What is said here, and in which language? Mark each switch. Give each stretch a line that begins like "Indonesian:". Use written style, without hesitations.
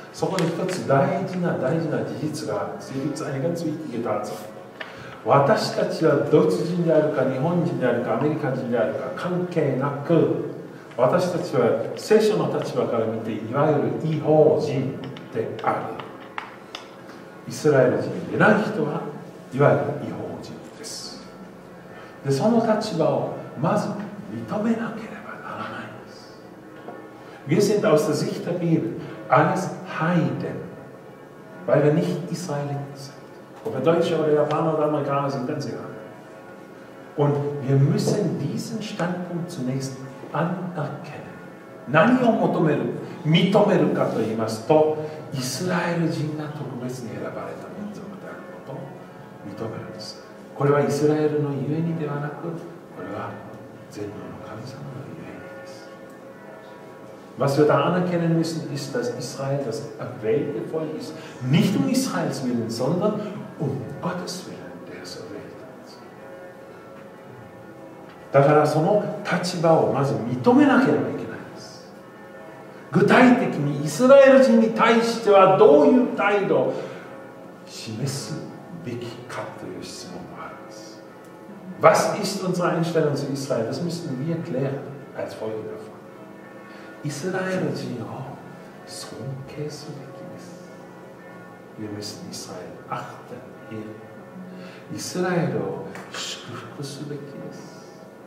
Japanese: そこに一つ大事な事実がある。
German: Es gibt eine ganz wichtige Tatsache。
Japanese: 私たちはドイツ人であるか、日本人であるか、アメリカ人であるか、関係なく、私たちは聖書の立場から見て、いわゆる異邦人である。イスラエル人でない人はいわゆる異邦人です。で、その立場をまず認めなければならないんです。
German: Wir sind aus der Sicht der Bibel alles Heiden, weil wir nicht Israeliten sind. Ob wir Deutsche oder Japaner oder Amerikaner sind, ganz egal. Und wir müssen diesen Standpunkt zunächst anerkennen.
Japanese: 何を求める、認めるかと言いますと、イスラエル人が特別に選ばれた民族であることを認めるんです。これはイスラエルのゆえにではなく、これは全能の神様のゆえにです。
German: Was wir da anerkennen müssen, ist, dass Israel das erwählte Volk ist. Nicht um Israels Willen, sondern um Gottes Willen, der es erwählt hat.
Japanese: だからその立場をまず認めなければいけない。具体的にイスラエル人に対してはどういう態度を示すべきかという質問もあるんです。
German: Was ist unsere Einstellung zu Israel? Das müssen wir klären als Folge davon.
Japanese: イスラエル人を尊敬すべきです。
German: Wir müssen Israel achten, ehren.
Japanese: イスラエルを祝福すべきです。